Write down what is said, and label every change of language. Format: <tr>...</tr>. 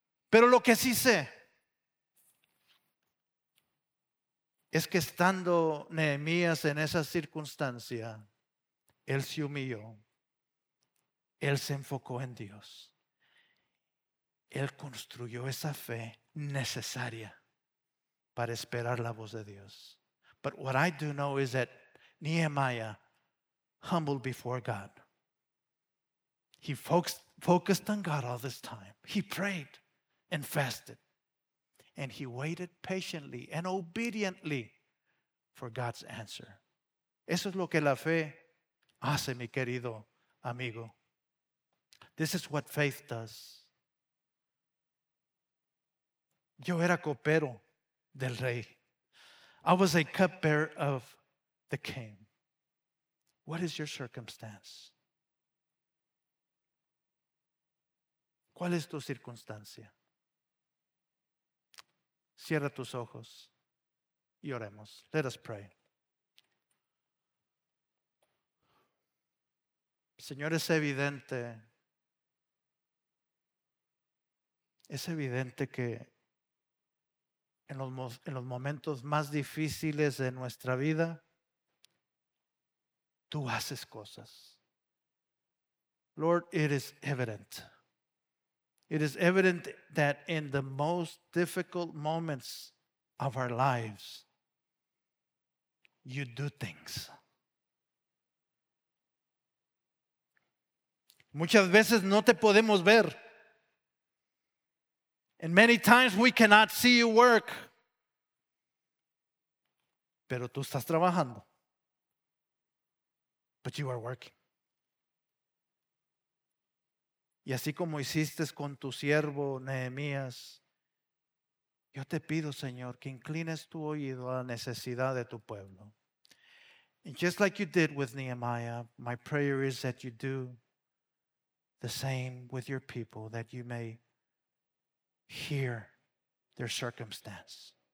<es>Pero lo que sí sé es que estando Nehemías en esa circunstancia, él se humilló, él se enfocó en Dios. Él construyó esa fe necesaria para esperar la voz de Dios.</es> <en>But what I do know is that Nehemiah humbled before God. He focused on God all this time. He prayed and fasted. And he waited patiently and obediently for God's answer.</en> <es>Eso es lo que la fe hace, mi querido amigo.</es> <en>This is what faith does.</en> <es>Yo era copero del rey.</es> <en>I was a cupbearer of the king. What is your circumstance?</en> <es>¿Cuál es tu circunstancia? Cierra tus ojos y oremos.</es> <en>Let us pray.</en> <es>Señor, es evidente que en los momentos más difíciles de nuestra vida, tú haces cosas.</es> <en>Lord, it is evident. It is evident that in the most difficult moments of our lives, you do things.</en> <es>Muchas veces no te podemos ver.</es> <en>And many times we cannot see you work.</en> <es>Pero tú estás trabajando.</es> <en>But you are working.</en> <es>Y así como hiciste con tu siervo Nehemías, yo te pido, Señor, que inclines tu oído a la necesidad de tu pueblo.</es> <en>And just like you did with Nehemiah, my prayer is that you do the same with your people, that you may hear their circumstance.</en>